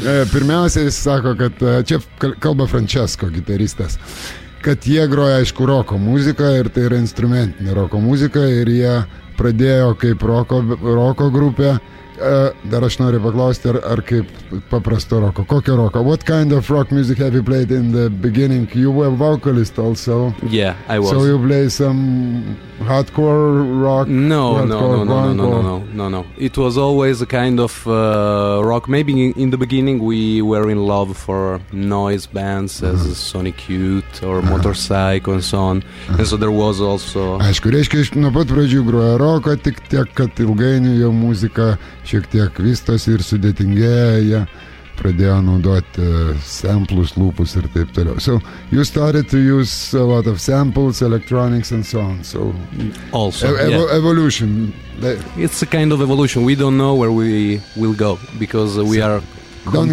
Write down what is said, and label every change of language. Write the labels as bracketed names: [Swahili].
[Lithuanian] Pirmiausia, jis sako, kad čia kalba Francesco, gitaristas, kad jie groja, aišku, roko muziką, ir tai yra instrumentinė roko muzika, ir jie pradėjo kaip roko grupė. Dar aš noriu paklausti, ar kaip paprasto roko. Kokio roko? [English] What kind of rock music have you played in the beginning? You were vocalist also. Yeah, I was. So you play some hardcore rock? No. It was always a kind of rock. Maybe in the beginning we were in love for noise bands as Sonic Youth or Motorcycle and so on. And so there was also... [Lithuanian] Aišku, reiškia, aš nuo pat pradžių groja roką, tik tiek, kad ilgainių jo muzika... šiek tiek vystosi ir sudėtingėja, jie pradėjo naudoti samplus, lūpus ir taip toliau. [English] So, you started to use a lot of samples, electronics and so on. So, also, evolution. It's a kind of evolution. We don't know where we will go, because we are continuously